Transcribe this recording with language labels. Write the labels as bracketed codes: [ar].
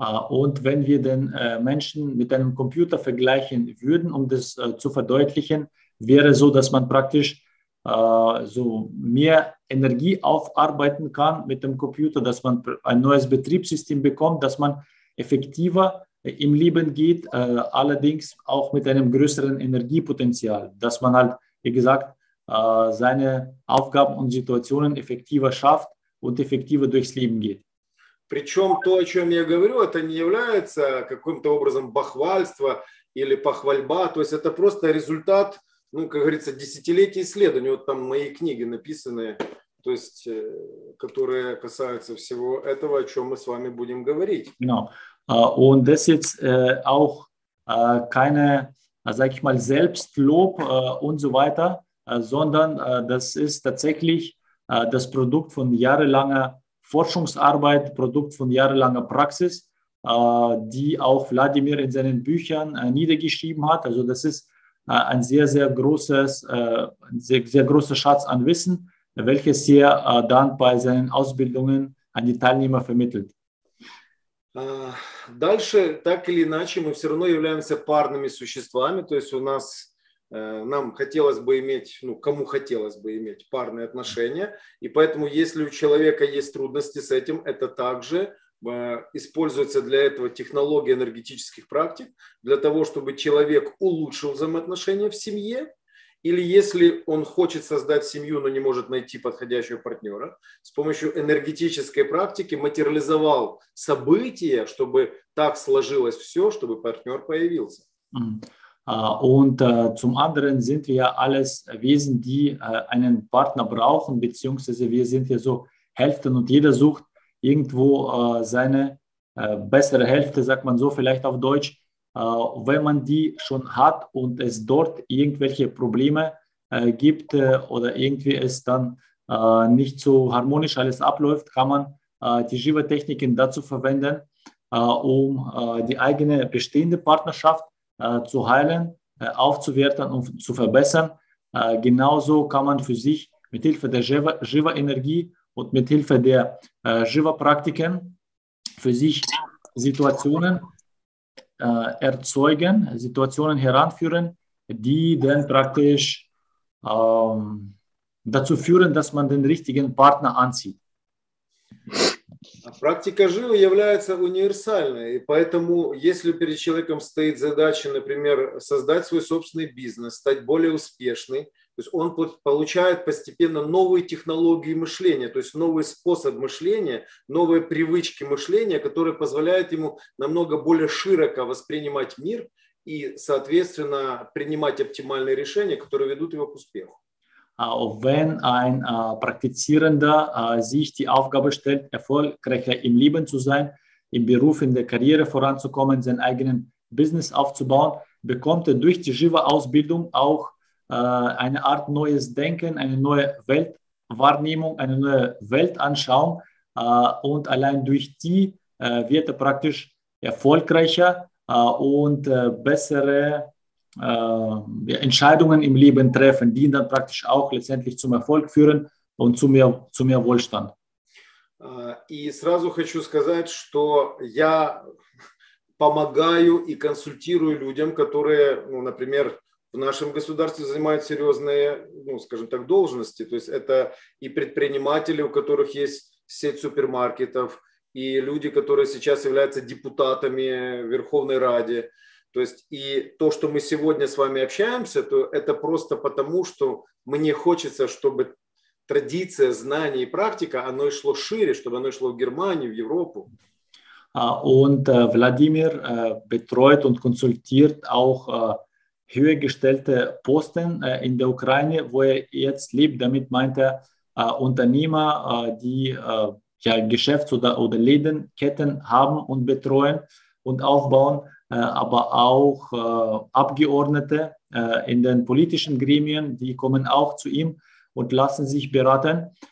[de] Und wenn wir den Menschen mit einem Computer vergleichen würden, um das zu verdeutlichen, wäre so, dass man praktisch so mehr Energie aufarbeiten kann mit dem Computer, dass man ein neues Betriebssystem bekommt, dass man effektiver im Leben geht, allerdings auch mit einem größeren Energiepotenzial, dass man halt, wie gesagt, seine Aufgaben und Situationen effektiver schafft und effektiver durchs Leben geht. [ru] Причем то, о чем я говорю, это не является каким-то образом бахвальство или похвальба, то есть это просто результат, ну, как говорится, десятилетий исследований, вот там мои книги написаны, то есть, которые касаются всего этого, о чем мы с вами будем говорить. [de] Genau. Und das jetzt auch keine, sag ich mal, Selbstlob und so weiter, sondern das ist tatsächlich das Produkt von jahrelanger Forschungsarbeit, Produkt von jahrelanger Praxis, die auch Wladimir in seinen Büchern niedergeschrieben hat. Also das ist ein sehr, sehr großes, sehr, sehr großer Schatz an Wissen, welches er dann bei seinen Ausbildungen an die Teilnehmer vermittelt. [ru] Дальше, так или иначе, мы все равно являемся парными существами, то есть у нас, нам хотелось бы иметь, ну, кому хотелось бы иметь парные отношения, и поэтому, если у человека есть трудности с этим, это также используется для этого технология энергетических практик, для того, чтобы человек улучшил взаимоотношения в семье, или если он хочет создать семью, но не может найти подходящего партнера, с помощью энергетической практики материализовал события, чтобы так сложилось все, чтобы партнер появился. [de] Und zum anderen sind wir ja alles Wesen, die einen Partner brauchen, beziehungsweise wir sind ja so Hälften und jeder sucht irgendwo seine bessere Hälfte, sagt man so vielleicht auf Deutsch. Wenn man die schon hat und es dort irgendwelche Probleme gibt oder irgendwie es dann nicht so harmonisch alles abläuft, kann man die Shiva-Techniken dazu verwenden, um die eigene bestehende Partnerschaft zu heilen, aufzuwerten und zu verbessern. Genauso kann man für sich mit Hilfe der Shiva-Energie und mit Hilfe der Shiva-Praktiken für sich Situationen erzeugen, Situationen heranführen, die dann praktisch dazu führen, dass man den richtigen Partner anzieht. [ru] Практика Живы является универсальной, и поэтому, если перед человеком стоит задача, например, создать свой собственный бизнес, стать более успешным, то есть он получает постепенно новые технологии мышления, то есть новый способ мышления, новые привычки мышления, которые позволяют ему намного более широко воспринимать мир и, соответственно, принимать оптимальные решения, которые ведут его к успеху. [de] Wenn ein Praktizierender sich die Aufgabe stellt, erfolgreicher im Leben zu sein, im Beruf, in der Karriere voranzukommen, seinen eigenen Business aufzubauen, bekommt er durch die Shiva-Ausbildung auch eine Art neues Denken, eine neue Weltwahrnehmung, eine neue Weltanschauung. Und allein durch die wird er praktisch erfolgreicher und bessere Entscheidungen im Leben treffen, die ihn dann praktisch auch letztendlich zum Erfolg führen und zu mehr Wohlstand. [ru] И сразу хочу сказать, что я помогаю и консультирую людям, которые, ну, например, в нашем государстве занимают серьезные, ну, скажем так, должности. То есть это и предприниматели, у которых есть сеть супермаркетов, и люди, которые сейчас являются депутатами Верховной Рады. То есть и то, что мы сегодня с вами общаемся, то это просто потому, что мне хочется, чтобы традиция, знание и практика, оно шло шире, чтобы оно шло в Германию, в Европу. [de] Und Wladimir betreut und konsultiert auch höher gestellte Posten in der Ukraine, wo jetzt lebt. Damit meint Unternehmer, die ja, Geschäfts- oder Lädenketten haben und betreuen und aufbauen, aber auch Abgeordnete in den politischen Gremien, die kommen auch zu ihm und lassen sich beraten.